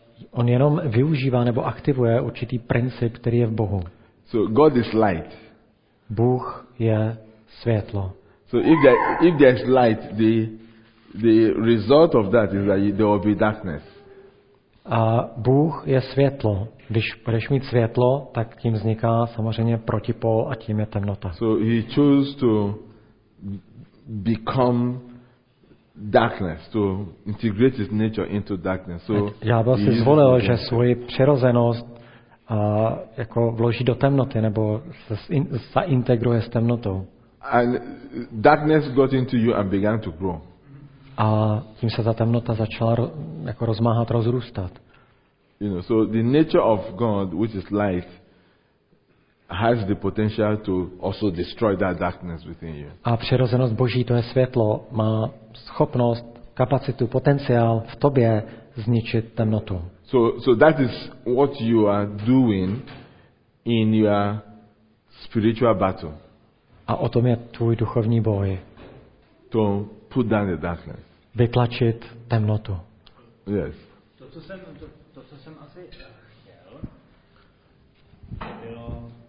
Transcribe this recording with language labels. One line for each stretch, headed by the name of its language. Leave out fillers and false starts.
Czech: On jenom využívá nebo aktivuje určitý princip, který je v Bohu.
English: So God is light.
Czech: Bůh je světlo.
English: So if there is light, the result of that is that there will be darkness.
Czech: A Bůh je světlo. Když budeš mít světlo, tak tím vzniká samozřejmě protipol a tím je temnota.
English: So he chose to become darkness, to integrate his nature into darkness. So
Czech: ďábel si zvolil, že svoji přirozenost jako vloží do temnoty nebo se zaintegruje s temnotou.
English: And darkness got into you and began to grow.
Czech: A tím se ta temnota začala jako rozmáhat, rozrůstat.
English: You know, so the nature of God, which is light, has the potential to also destroy that darkness within you.
Czech: A přirozenost Boží, to je světlo, má schopnost, kapacitu, potenciál v tobě zničit temnotu.
English: So that is what you are doing in your spiritual battle.
Czech: A o tom je tvůj duchovní boj.
English: To put down the darkness.
Czech: Vytlačit temnotu.
English: Yes.
Czech: To co jsem asi chtěl, bylo.